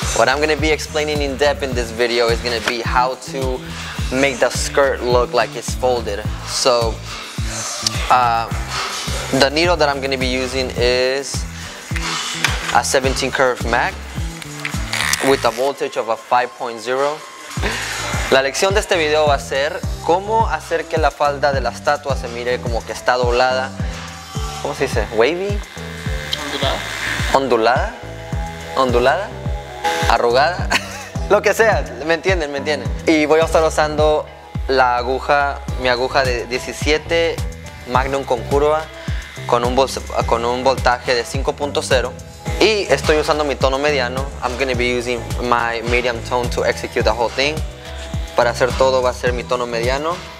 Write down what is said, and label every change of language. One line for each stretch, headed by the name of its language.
English: What I'm gonna be explaining in depth in this video is gonna be how to make the skirt look like it's folded. So, the needle that I'm gonna be using is a 17 curve Mac with a voltage of a 5.0.
Spanish: La lección de este video va a ser cómo hacer que la falda de la estatua se mire como que está doblada. ¿Cómo se dice? ¿Wavy? Ondulada. ¿Ondulada? ¿Ondulada? ¿Arrugada? Lo que sea, ¿me entienden? ¿Me entienden? Y voy a estar usando la aguja, mi aguja de 17 Magnum con curva con un voltaje de 5.0. Y estoy usando mi tono mediano.
English: I'm going to be using my medium tone to execute the whole thing.
Spanish: Para hacer todo va a ser mi tono mediano.